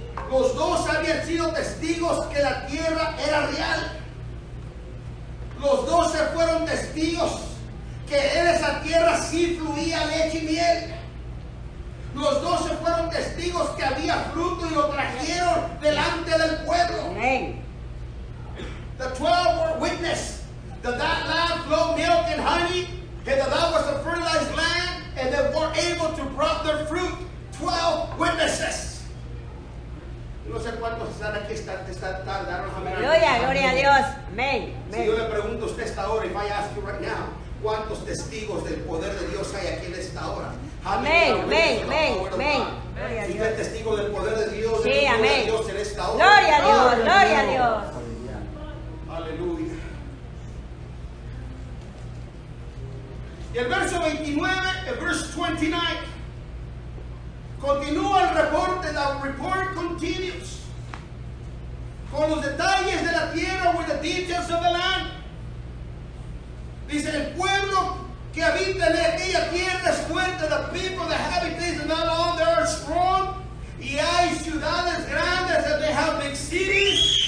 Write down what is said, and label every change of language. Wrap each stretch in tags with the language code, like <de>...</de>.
<es>Los dos habían sido testigos que la tierra era real. Los dos se fueron testigos que en esa tierra sí fluía leche y miel. Los dos se fueron testigos que había fruto y lo trajeron delante del pueblo. Amen.</es> <en>The 12 were witness that that land flowed milk and honey, and that was a fertilized land, and they were able to brought their fruit. 12 witnesses.</en> <es>No sé cuántos están aquí esta tarde. Gloria, gloria a Dios. Amén. Si yo le pregunto a usted esta hora,</es> <en>if I ask you right now,</en> <es>¿cuántos testigos del poder de Dios hay aquí en esta hora? Amén, amén, amén, amén. Si usted es testigo del poder de Dios, del poder de Dios en esta hora. Gloria a Dios, gloria a Dios. Aleluya. Y el verso 29, el verso 29. Continúa el reporte.</es> <en>The report continues.</en> <es>Con los detalles de la tierra,</es> <en>with the details of the land.</en> <es>Dice, el pueblo que habita en aquella tierra es fuerte.</es> <en>The people that habit is not on the earth strong.</en> <es>Y hay ciudades grandes,</es> <en>and they have big cities.</en>